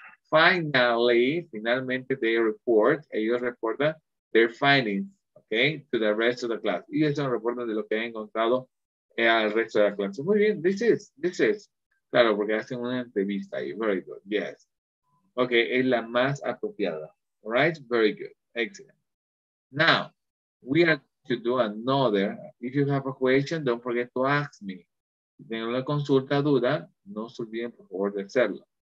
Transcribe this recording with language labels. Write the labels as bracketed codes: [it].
[en] Finally, [es] finalmente, [en] they report, [es] ellos reportan [en] their findings, okay, to the rest of the class. [es] Y ellos reportan de lo que han encontrado al resto de la clase. Muy bien, [en] this is. [es] Claro, porque hacen una entrevista ahí. [en] Very good, yes. Okay, [es] es la más apropiada. [en] All right, very good, excellent. Now, we are going to do another. If you have a question, don't forget to ask me. [es] Si tienen una consulta, duda, no se olviden, por favor, de hacerlo.